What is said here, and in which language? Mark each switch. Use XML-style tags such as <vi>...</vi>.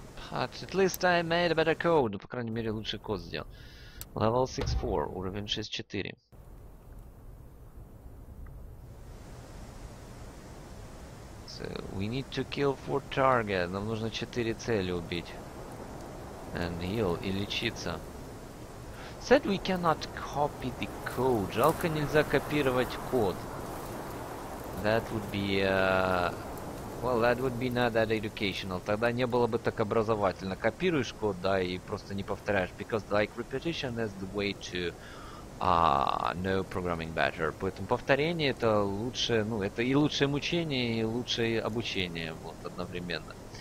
<en>But at least I made a better code.</en> <ru>Ну, по крайней мере, лучший код сделал.</ru> <en>Level 6-4,</en> <ru>уровень 6-4.</ru> <en>So we need to kill 4 targets.</en> <ru>Нам нужно 4 цели убить.</ru> <en>And heal,</en> <ru>и лечиться.</ru> <en>Said we cannot copy the code.</en> <ru>Жалко, нельзя копировать код.</ru> <en>That would be well, that would be not that educational.</en> <ru>Тогда не было бы так образовательно. Копируешь код, да, и просто не повторяешь.</ru> <en>Because like repetition is the way to know programming better.</en> <ru>Поэтому повторение это лучшее, ну, это и лучшее мучение, и лучшее обучение, вот, одновременно.</ru>